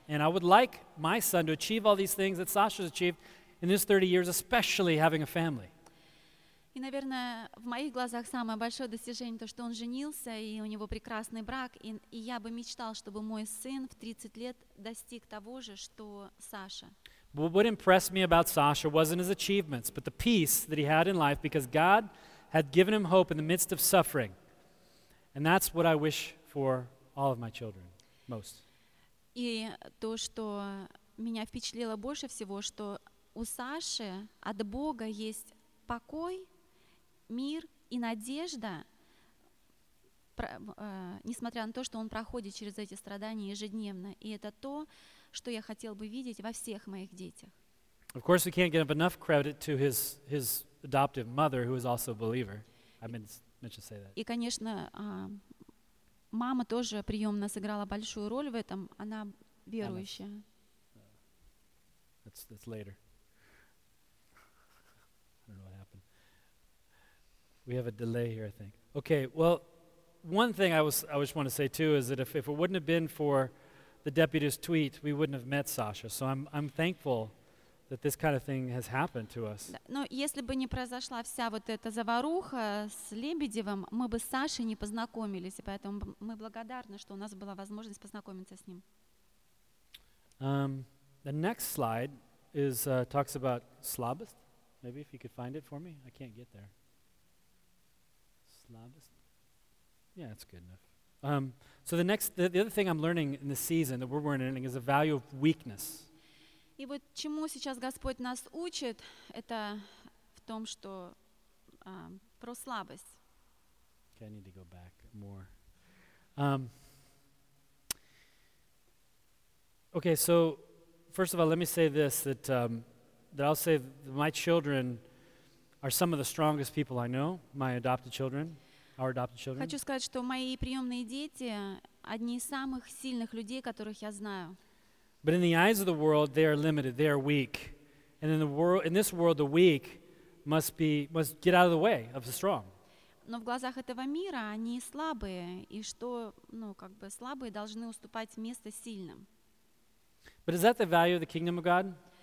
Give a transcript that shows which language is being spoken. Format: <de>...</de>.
<en>And I would like my son to achieve all these things that Sasha's achieved in his 30 years, especially having a family.</en> <ru>И, наверное, в моих глазах самое большое достижение то, что он женился, и у него прекрасный брак, и я бы мечтал, чтобы мой сын в 30 лет достиг того же, что Саша.</ru> <en>But what impressed me about Sasha wasn't his achievements, but the peace that he had in life, because God had given him hope in the midst of suffering. And that's what I wish for all of my children most.</en> <ru>И то, что меня впечатлило больше всего, что у Саши от Бога есть покой, мир и надежда, несмотря на то, что он проходит через эти страдания ежедневно. И это то, что я хотел бы видеть во всех моих детях.</ru> <en>Of course, we can't give enough credit to his adoptive mother, who is also a believer. I meant to say that.</en> <ru>И, конечно, мама тоже приемно сыграла большую роль в этом. Она верующая.</ru> <en>That's later. We have a delay here, I think. Okay, well, one thing I just want to say, too, is that if it wouldn't have been for the deputy's tweet, we wouldn't have met Sasha. So I'm thankful that this kind of thing has happened to us.</en> <ru>Но если бы не произошла вся вот эта заваруха с Лебедевым, мы бы с Сашей не познакомились. И поэтому мы благодарны, что у нас была возможность познакомиться с ним.</ru> <en>The next slide is talks about слабость. Maybe if you could find it for me. I can't get there. loudest. Yeah, that's good enough. So the next, the other thing I'm learning in the season that we're learning is the value of weakness.</en> <ru>И вот чему сейчас Господь нас учит, это в том, что про слабость.</ru> <en>Okay, I need to go back more. Okay, so first of all, let me say this, that that I'll say that my children are some of the strongest people I know, my adopted children, our adopted children.</en> <ru>Хочу сказать, что мои приемные дети одни из самых сильных людей, которых я знаю.</ru> <en>But in the eyes of the world, they are limited, they are weak. And in the world, in this world, the weak must get out of the way of the strong.</en> <ru>Но в глазах этого мира они слабые, и что, ну, как бы слабые должны уступать место сильным.</ru> <en>But is that the value of the kingdom of God?</en>